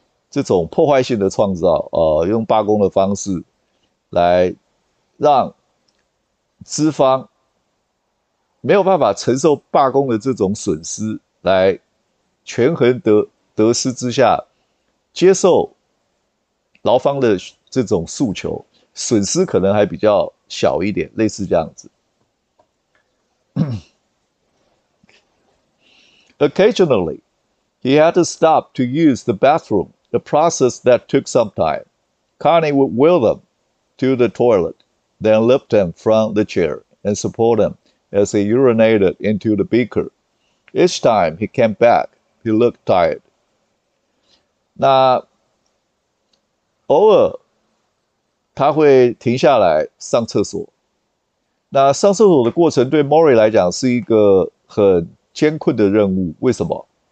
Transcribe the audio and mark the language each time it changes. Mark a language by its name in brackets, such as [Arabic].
[Chinese] 这种破坏性的创造，用罢工的方式来让资方没有办法承受罢工的这种损失，来权衡得失之下，接受劳方的这种诉求，损失可能还比较小一点，类似这样子。 [English] Occasionally, he had to stop to use the bathroom. The process that took some time. Connie would wheel them to the toilet, then lift them from the chair and support them as he urinated into the beaker. Each time he came back, he looked tired. [Chinese] 那偶尔他会停下来上厕所。那上厕所的过程对 Maury 来讲是一个很艰困的任务。为什么？